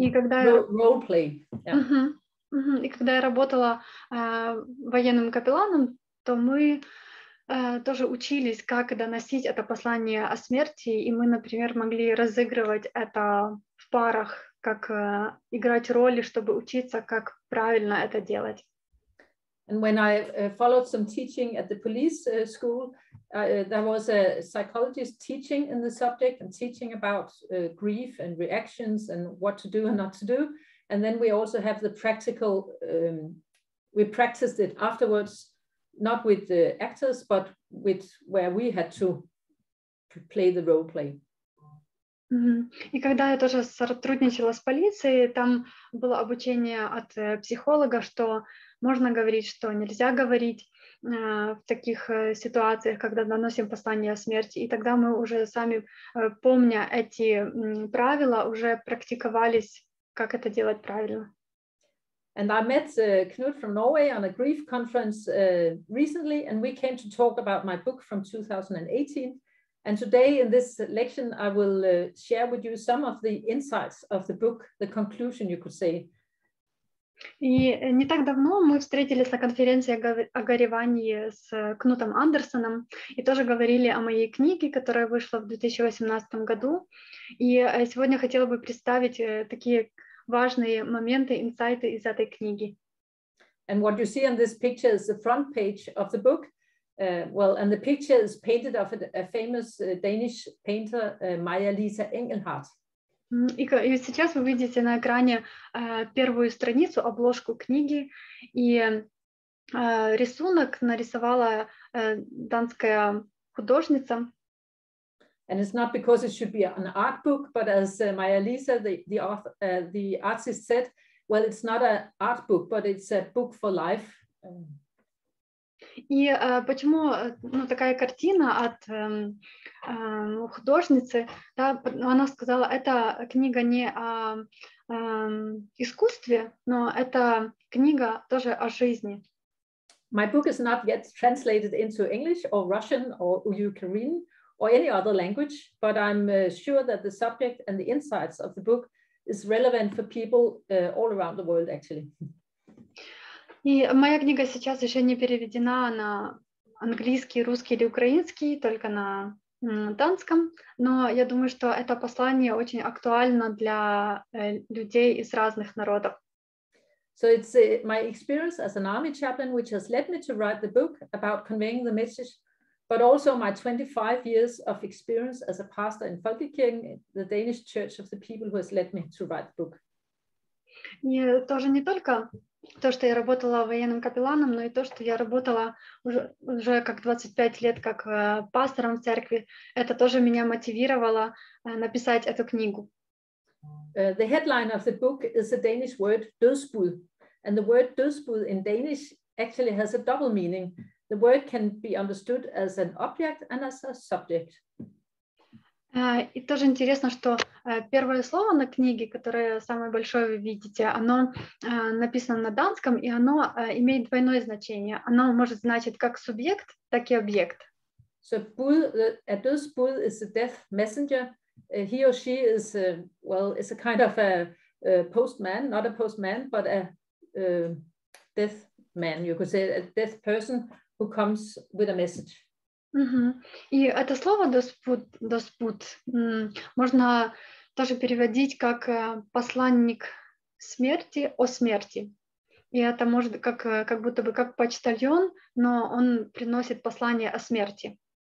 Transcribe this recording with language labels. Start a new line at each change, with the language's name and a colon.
Russian: И когда я работала военным капелланом, то мы тоже учились, как доносить это послание о смерти, и мы, например, могли разыгрывать это в парах, как играть роли, чтобы учиться, как правильно это делать.
English: And when I followed some teaching at the police school, there was a psychologist teaching in the subject and teaching about grief and reactions and what to do and not to do. And then we also have the practical, we practiced it afterwards, not with the actors, but with where we had to play the role play.
Russian: И когда я тоже сотрудничала с полицией, там было обучение от психолога, что можно говорить, что нельзя говорить в таких ситуациях, когда доносим послание о смерти. И тогда мы уже сами, помня эти правила, уже практиковались, как это делать правильно.
English: And I met Knut from Norway on a grief conference recently, and we came to talk about my book from 2018. And today in this lecture, I will share with you some of the insights of the book, the conclusion, you could say.
Russian: И не так давно мы встретились на конференции о горевании с Кнутом Андерсоном и тоже говорили о моей книге, которая вышла в 2018 году. И сегодня хотела бы представить такие важные моменты, инсайты из этой книги.
English: And what you see on this picture is the front page of the book. And the picture is painted of a famous Danish painter, Maja-Lisa Engelhardt.
Russian: И сейчас вы видите на экране первую страницу, обложку книги, и рисунок нарисовала данская художница.
English: And it's not because it should be an art book, but as Maja-Lisa, the artist said, well, it's not an art book, but it's a book for life.
Russian: И почему такая картина от художницы, да, она сказала, эта книга не о искусстве, но это книга тоже о жизни.
English: My book is not yet translated into English or Russian or Ukrainian or any other language, but I'm sure that the subject and the insights of the book is relevant for people all around the world, actually.
Russian: И моя книга сейчас еще не переведена на английский, русский или украинский, только на датском, но я думаю, что это послание очень актуально для людей из разных народов.
English: So it's my experience as an army chaplain, which has led me to write the book about conveying the message, but also my 25 years of experience as a pastor in Folkekirken, the Danish Church of the People, who has led me to write the book.
Russian: И тоже не только то, что я работала военным капелланом, но и то, что я работала уже как 25 лет как пастором в церкви, это тоже меня мотивировало написать эту книгу.
English: The headline of the book is the Danish word dødsbud. And the word dødsbud in Danish actually has a double meaning. The word can be understood as an object and as a subject.
Russian: И тоже интересно, что первое слово на книге, которое самое большое вы видите, оно написано на датском, и оно имеет двойное значение. Оно может значить как субъект, так и объект.
English: So, bud, a dødsbud is a death messenger. He or she is, well, is a kind of a postman, not a postman, but a death man. You could say a death person who comes with a message.
Russian: И это слово «доспут» можно тоже переводить как «посланник смерти о смерти». И это может как будто бы как почтальон, но он приносит послание о смерти.